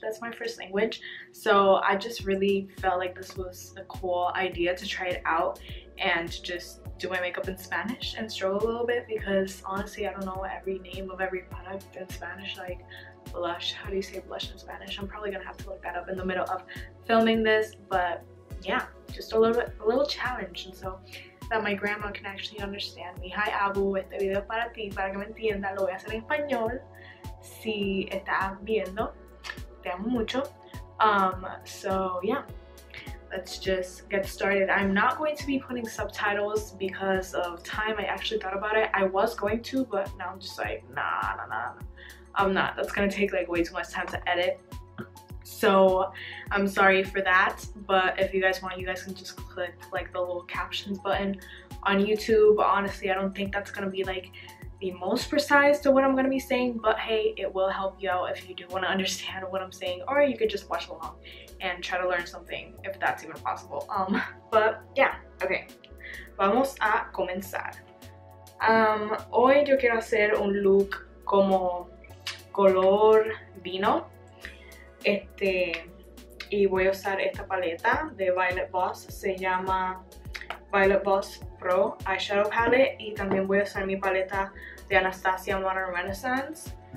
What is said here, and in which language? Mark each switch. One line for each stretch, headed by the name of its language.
English: That's my first language. So I just really felt like this was a cool idea to try it out and just do my makeup in Spanish and struggle a little bit, because honestly I don't know every name of every product in Spanish, like blush. How do you say blush in Spanish? I'm probably gonna have to look that up in the middle of filming this, but yeah, just a little challenge, and so that my grandma can actually understand me.
Spanish: Hi Abu, este video para ti, para que me entienda, lo voy a hacer en español. Si estás viendo, te amo mucho.
English: So yeah, let's just get started. I'm not going to be putting subtitles because of time. I actually thought about it. I was going to, but now I'm just like, nah. I'm not. That's gonna take like way too much time to edit. So I'm sorry for that. But if you guys want, you guys can just click like the little captions button on YouTube. Honestly, I don't think that's gonna be like the most precise to what I'm gonna be saying, but hey, it will help you out if you do wanna understand what I'm saying, or you could just watch along and try to learn something if that's even possible. But yeah, okay,
Spanish: vamos a comenzar. Hoy yo quiero hacer un look como color vino, y voy a usar esta paleta de Violet Boss, se llama Violet Boss Pro Eyeshadow Palette, y también voy a usar mi paleta de Anastasia Modern Renaissance.